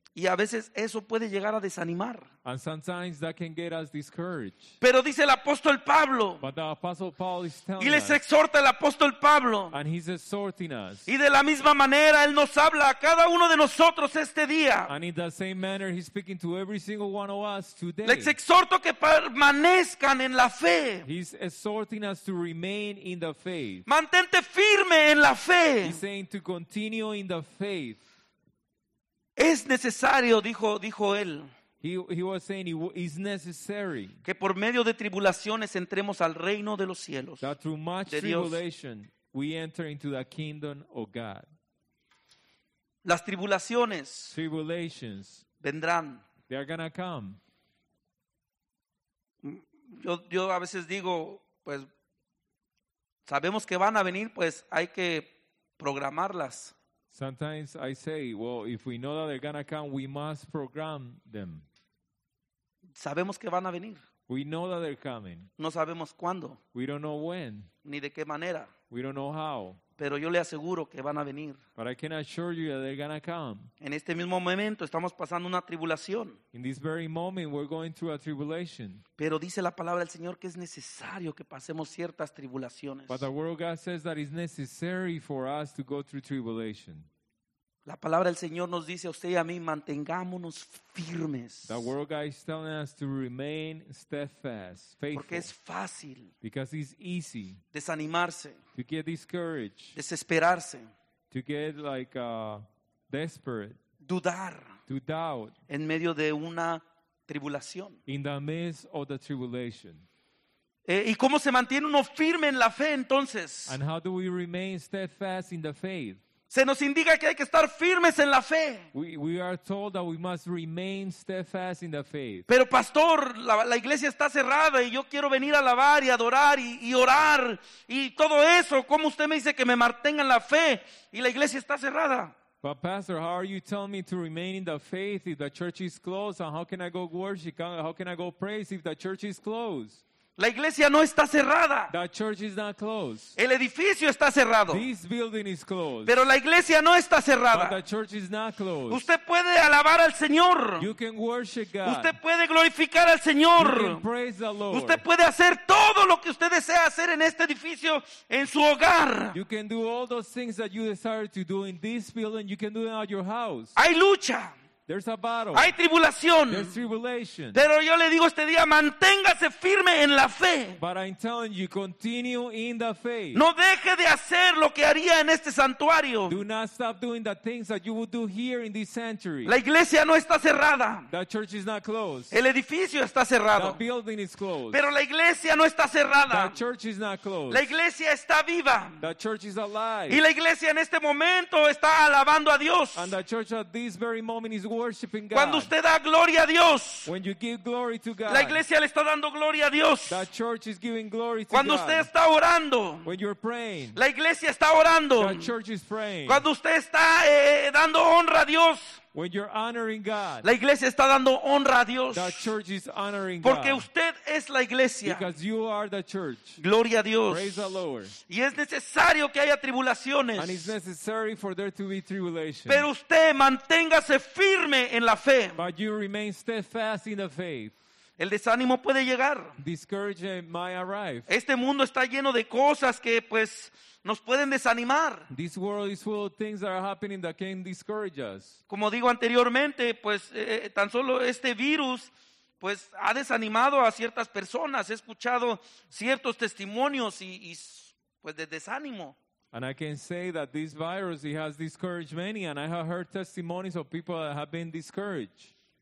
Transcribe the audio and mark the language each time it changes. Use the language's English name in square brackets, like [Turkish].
[Spanish] Y a veces eso puede llegar a desanimar. [English] And sometimes that can get us discouraged. [Spanish] Pero dice el apóstol Pablo. [English] But the Apostle Paul is telling [Spanish] us. Y les exhorta el apóstol Pablo. [English] And he's exhorting us. [Spanish] Y de la misma manera él nos habla a cada uno de nosotros este día. [English] And in the same manner he's speaking to every single one of us today. [Spanish] Les exhorto que permanezcan en la fe. [English] He's exhorting us to remain in the faith. [Spanish] Mantente firme en la fe. [English] He's saying to continue in the faith. [Spanish] Es necesario, dijo él. [English] He was saying it is necessary [Spanish] que por medio de tribulaciones entremos al reino de los cielos. [English] That through much tribulation we enter into the kingdom of God. [Spanish] Las tribulaciones [English] tribulations [Spanish] vendrán. [English] They are gonna come. [Spanish] Yo a veces digo, pues sabemos que van a venir, pues hay que programarlas. [English] Sometimes I say, well, if we know that they're going to come, we must program them. [Spanish] Sabemos que van a venir. [English] We know that they're coming. [Spanish] No sabemos cuándo. [English] We don't know when. [Spanish] Ni de qué manera. [English] We don't know how. [Spanish] Pero yo le aseguro que van a venir. [English] But I can assure you that they're going to come. [Spanish] En este mismo momento estamos pasando una tribulación. [English] In this very moment we're going through a tribulation. [Spanish] Pero dice la palabra del Señor que es necesario que pasemos ciertas tribulaciones. [English] But the word of God says that it's necessary for us to go through tribulation. [Spanish] La palabra del Señor nos dice a usted y a mí, mantengámonos firmes. [English] The word of God is telling us to remain steadfast, faithful. [Spanish] Porque es fácil. [English] Because it's easy. [Spanish] Desanimarse. [English] To get discouraged. [Spanish] Desesperarse. [English] To get like desperate. [Spanish] Dudar. [English] To doubt. [Spanish] En medio de una tribulación. [English] In the midst of the tribulation. [Spanish] ¿Y cómo se mantiene uno firme en la fe entonces? [English] And how do we remain steadfast in the faith? [Spanish] Se nos indica que hay que estar firmes en la fe. [English] We are told that we must remain steadfast in the faith. [Spanish] Pero pastor, la iglesia está cerrada y yo quiero venir a alabar y adorar y orar y todo eso. ¿Cómo usted me dice que me mantenga en la fe y la iglesia está cerrada? [English] But pastor, how are you telling me to remain in the faith if the church is closed? And how can I go worship? How can I go praise if the church is closed? [Spanish] La iglesia no está cerrada. [English] The church is not closed. [Spanish] El edificio está cerrado. [English] This building is closed. [Spanish] Pero la iglesia no está cerrada. [English] But the church is not closed. [Spanish] Usted puede alabar al Señor. [English] You can worship God. [Spanish] Usted puede glorificar al Señor. [English] You can praise the Lord. [Spanish] Usted puede hacer todo lo que usted desea hacer en este edificio, en su hogar. [English] You can do all those things that you desire to do in this building. You can do it at your house. [Spanish] Hay lucha. [English] There's a battle. [Spanish] Hay tribulación. [English] There's tribulation. [Spanish] Pero yo le digo este día, manténgase firme en la fe. [English] But I'm telling you, continue in the faith. [Spanish] No deje de hacer lo que haría en este santuario. [English] Do not stop doing the things that you would do here in this sanctuary. [Spanish] La iglesia no está cerrada. [English] The church is not closed. [Spanish] El edificio está cerrado. [English] The building is closed. [Spanish] Pero la iglesia no está cerrada. [English] The church is not closed. [Spanish] La iglesia está viva. [English] The church is alive. [Spanish] Y la iglesia en este momento está alabando a Dios. [English] And the church at this very moment is worshiping God. [Spanish] Cuando usted da gloria a Dios, [English] when you give glory to God, [Spanish] la iglesia le está dando gloria a Dios. [English] The church is giving glory to [Spanish] Cuando [English] God. [Spanish] Usted está orando, [English] when you're praying, [Spanish] la iglesia está orando. [English] The church is praying. [Spanish] Cuando usted está dando honra a Dios, [English] when you're honoring God, [Spanish] la iglesia está dando honra a Dios. [English] The church is honoring [Spanish] porque [English] God. [Spanish] Usted es la iglesia. [English] Because you are the church. [Spanish] Gloria a Dios. [English] Praise the Lord. [Spanish] Y es necesario que haya tribulaciones. [English] And it's necessary for there to be tribulation. [Spanish] Pero usted manténgase firme en la fe. [English] But you remain steadfast in the faith. [Spanish] El desánimo puede llegar. [English] Discouragement might arrive. [Spanish] Este mundo está lleno de cosas que pues nos pueden desanimar. [English] This world is full of things that are happening that can discourage us. [Spanish] Como digo anteriormente, pues tan solo este virus pues ha desanimado a ciertas personas. He escuchado ciertos testimonios y pues de desánimo. [English] And I can say that this virus, it has discouraged many, and I have heard testimonies of people that have been discouraged.